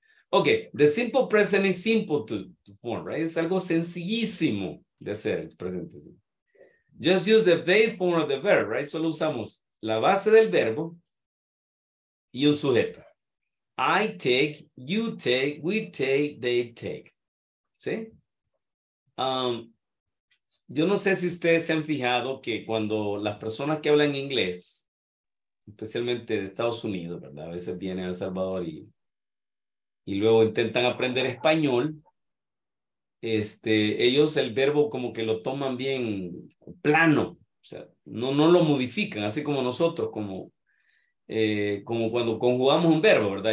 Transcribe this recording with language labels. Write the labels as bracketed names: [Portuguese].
[English] Ok, the simple present is simple to form, right? [Spanish] Es algo sencillísimo de hacer el presente simple. [English] Just use the base form of the verb, right? [Spanish] Solo usamos la base del verbo y un sujeto. [English] I take, you take, we take, they take. [Spanish] ¿Sí? Yo no sé si ustedes se han fijado que cuando las personas que hablan inglés, especialmente de Estados Unidos, ¿verdad? A veces vienen a El Salvador y luego intentan aprender español, ellos el verbo como que lo toman bien plano, o sea, no lo modifican, así como nosotros, como cuando conjugamos un verbo, ¿verdad?